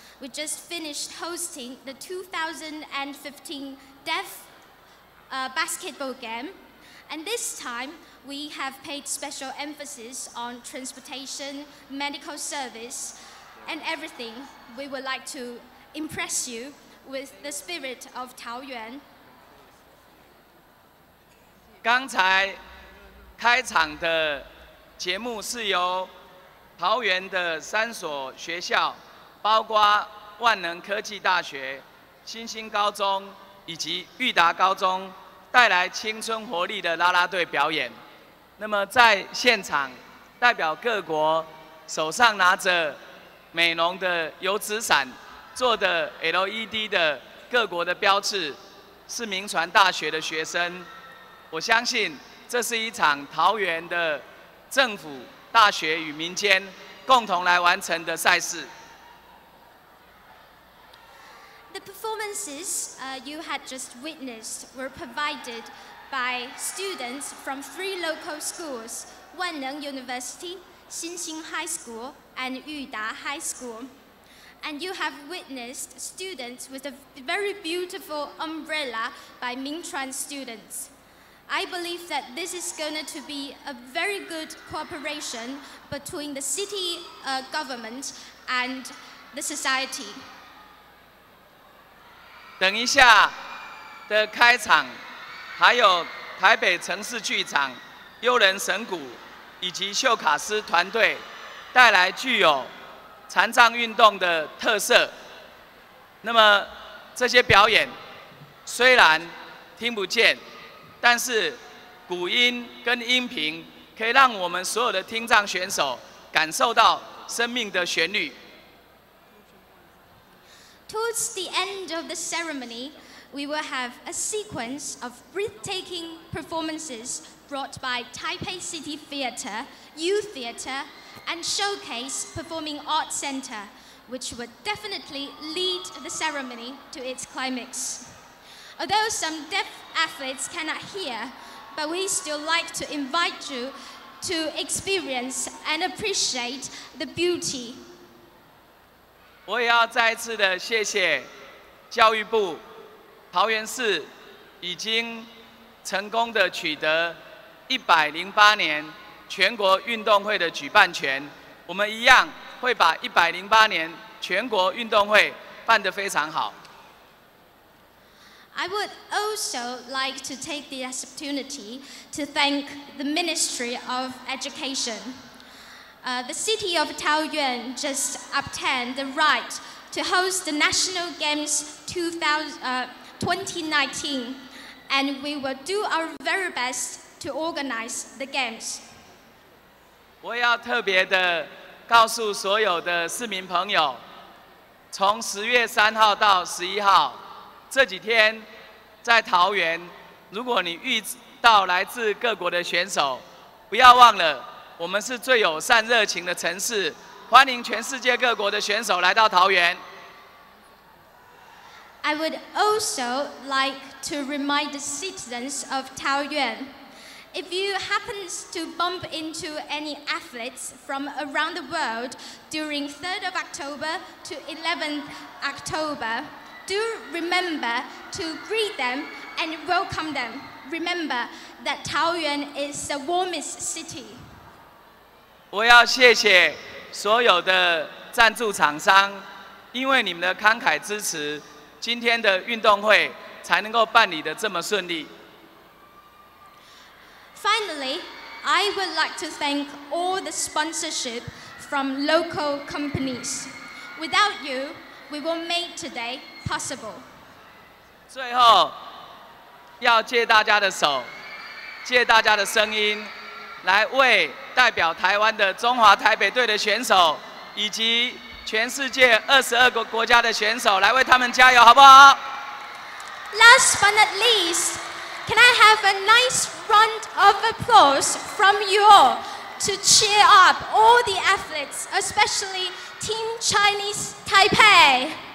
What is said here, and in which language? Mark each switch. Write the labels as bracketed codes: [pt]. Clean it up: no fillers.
[en] We just finished hosting the 2015 Deaf basketball game. And this time, we have paid special emphasis on transportation, medical service, and everything. We would like to impress you with the spirit of Taoyuan. [zh] 刚才开场的节目是由桃园的3所学校包括万能科技大学、新兴高中以及育达高中带来青春活力的啦啦队表演。那么在现场，代表各国手上拿着美浓的油纸伞做的 LED 的各国的标志，是明传大学的学生。我相信这是一场桃园的政府、大学与民间共同来完成的赛事。 [en] The performances you had just witnessed were provided by students from three local schools, Wanneng University, Xinxing High School, and Yuda High School. And you have witnessed students with a very beautiful umbrella by Mingchuan students. I believe that this is going to be a very good cooperation between the city government and the society. [zh] 等一下的开场，还有台北城市剧场、悠人神谷以及秀卡斯团队带来具有残障运动的特色。那么这些表演虽然听不见，但是鼓音跟音频可以让我们所有的听障选手感受到生命的旋律。 [en] Towards the end of the ceremony, we will have a sequence of breathtaking performances brought by Taipei City Theatre, Youth Theatre, and Showcase Performing Arts Centre, which will definitely lead the ceremony to its climax. Although some deaf athletes cannot hear, but we still like to invite you to experience and appreciate the beauty. [zh] 我也要再次的谢谢教育部，桃园市已经成功的取得108年全国运动会的举办权。我们一样会把108年全国运动会办得非常好。 [en] I would also like to take the opportunity to thank the Ministry of Education. The city of Taoyuan just obtained the right to host the National Games 2019, and we will do our very best to organize the games. [zh] 我要特别的告诉所有的市民朋友，从10月3号到11号这几天，在桃园，如果你遇到来自各国的选手，不要忘了，我们是最友善热情的城市，欢迎全世界各国的选手来到桃园。 [en] I would also like to remind the citizens of Taoyuan, if you happen to bump into any athletes from around the world during 3rd of October to 11th October, do remember to greet them and welcome them. Remember that Taoyuan is the warmest city. [zh] 我要谢谢所有的赞助厂商，因为你们的慷慨支持，今天的运动会才能够办理的这么顺利。 [en] Finally, I would like to thank all the sponsorship from local companies. Without you, we won't make today possible. [zh] 最后，要借大家的手，借大家的声音，来为代表台湾的中华台北队的选手以及全世界22个国家的选手来为他们加油，好不好 [en] ？Last but not least, can I have a nice round of applause from you all to cheer up all the athletes, especially Team Chinese Taipei？